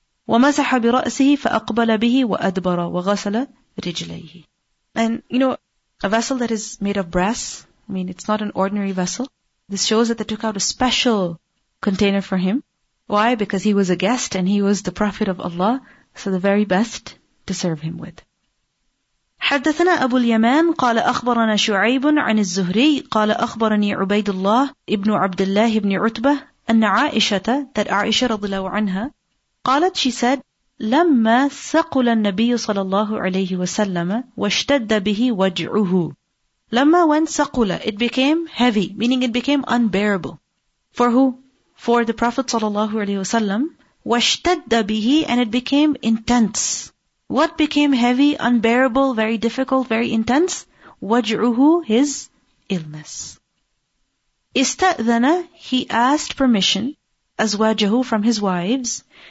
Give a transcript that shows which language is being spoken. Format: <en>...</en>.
<ar>ومسح برأسه فأقبل به وأدبر وغسل رجليه.</ar> <en>And you know, a vessel that is made of brass, I mean, it's not an ordinary vessel. This shows that they took out a special container for him. Why? Because he was a guest and he was the Prophet of Allah, so the very best to serve him with.</en> <ar>حدثنا أبو اليمان قال أخبرنا شعيب عن الزهري قال أخبرني عبيد الله ابن عبد الله بن عتبة أن عائشة, that عائشة رضي الله عنها, قالت,</ar> <en>she said,</en> <ar>لما ثقل النبي صلى الله عليه وسلم واشتد به وجعه.</ar> <en>لما, when ثقل, it became heavy, meaning it became unbearable. For who? For the Prophet sallallahu alaihi wasallam.</en> <ar>وَاشْتَدَّ بِهِ,</ar> <en>and it became intense. What became heavy, unbearable, very difficult, very intense? وَجْعُهُ, his illness. إِسْتَأْذَنَ, he asked permission, أَزْوَاجَهُ, from his wives,</en>